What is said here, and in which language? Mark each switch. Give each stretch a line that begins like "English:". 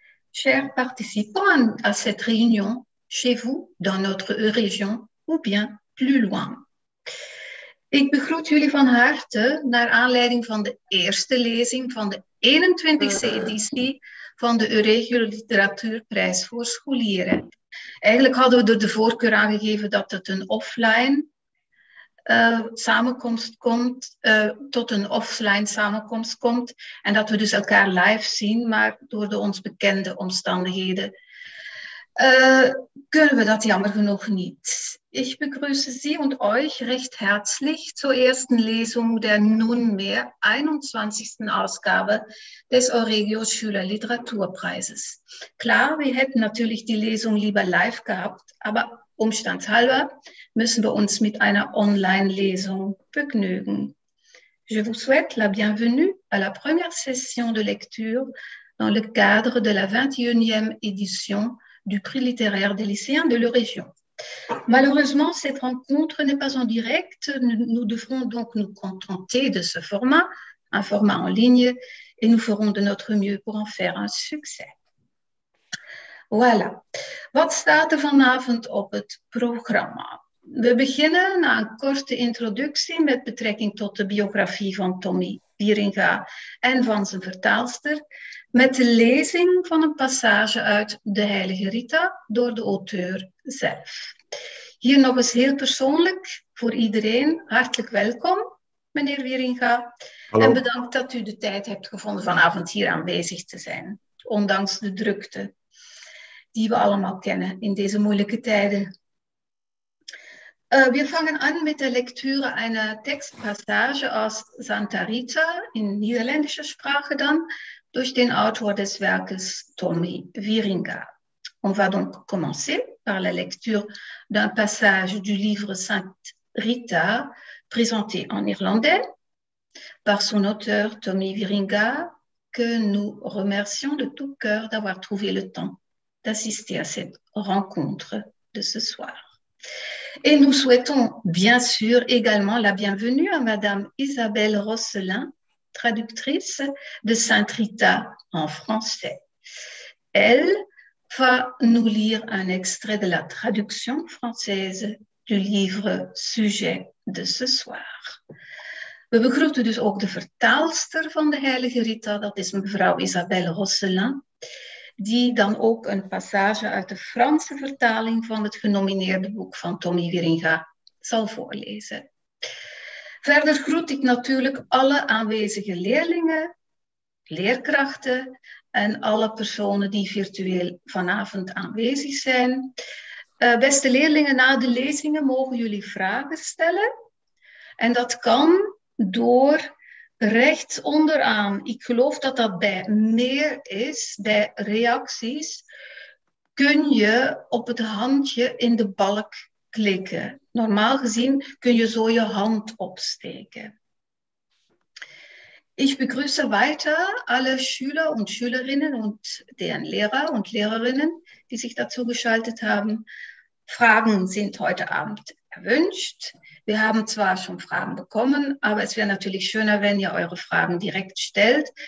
French: Chers participants à cette réunion, chez vous, dans notre région, ou bien plus loin.
Dutch: Ik begroet jullie van harte naar aanleiding van de eerste lezing van de 21ste editie van de Euregio Literatuurprijs voor Scholieren. Eigenlijk hadden we er de voorkeur aan gegeven dat het een offline samenkomst komt, tot een offline samenkomst komt en dat we dus elkaar live zien, maar door de ons bekende omstandigheden kunnen we dat jammer genoeg niet.
German: Ich begrüße Sie und euch recht herzlich zur ersten Lesung der nunmehr 21. Ausgabe des Euregio Schülerliteraturpreises. Klar, wir hätten natürlich die Lesung lieber live gehabt, aber umstandshalber müssen wir uns mit einer Online-Lesung begnügen.
French: Je vous souhaite la bienvenue à la première session de lecture dans le cadre de la 21e édition du Prix littéraire des lycéens de l'Eurégion. Malheureusement, cette rencontre n'est pas en direct. Nous devrons donc nous contenter de ce format, un format en ligne, et nous ferons de notre mieux pour en faire un succès. Voilà.
Dutch: Wat staat er vanavond op het programma? We beginnen na een korte introductie met betrekking tot de biografie van Tommy Wieringa en van zijn vertaalster, met de lezing van een passage uit De Heilige Rita door de auteur zelf. Hier nog eens heel persoonlijk voor iedereen, hartelijk welkom, meneer Wieringa. En Hallo. bedankt dat u de tijd hebt gevonden vanavond hier aanwezig te zijn, ondanks de drukte die we allemaal kennen in deze moeilijke tijden.
German: Wir fangen an mit der Lektüre einer Textpassage aus Santa Rita in niederländischer Sprache dann durch den Autor des Werkes Tommy Wieringa.
French: On va donc commencer par la lecture d'un passage du livre Santa Rita présenté en irlandais par son auteur Tommy Wieringa, que nous remercions de tout cœur d'avoir trouvé le temps d'assister à cette rencontre de ce soir. Et nous souhaitons bien sûr également la bienvenue à Madame Isabelle Rosselin, traductrice de Sainte Rita en français. Elle va nous lire un extrait de la traduction française du livre sujet de ce soir.
Dutch: We begroeten dus ook de vertaalster van de Heilige Rita, dat is mevrouw Isabelle Rosselin. Die dan ook een passage uit de Franse vertaling van het genomineerde boek van Tommy Wieringa zal voorlezen. Verder groet ik natuurlijk alle aanwezige leerlingen, leerkrachten en alle personen die virtueel vanavond aanwezig zijn. Beste leerlingen, na de lezingen mogen jullie vragen stellen. En dat kan door. Rechts onderaan, ik geloof dat dat bij meer is, bij reacties, kun je op het handje in de balk klikken. Normaal gezien kun je zo je hand opsteken.
German: Ik begrüße weiter alle Schüler und Schülerinnen und deren Lehrer und Lehrerinnen, die
Dutch: zich daartoe
German: geschaltet
Dutch: hebben. Vragen zijn
German: heute Abend erwünscht. Wir haben zwar schon Fragen bekommen, aber es wäre natürlich schöner, wenn ihr eure Fragen direkt stellt.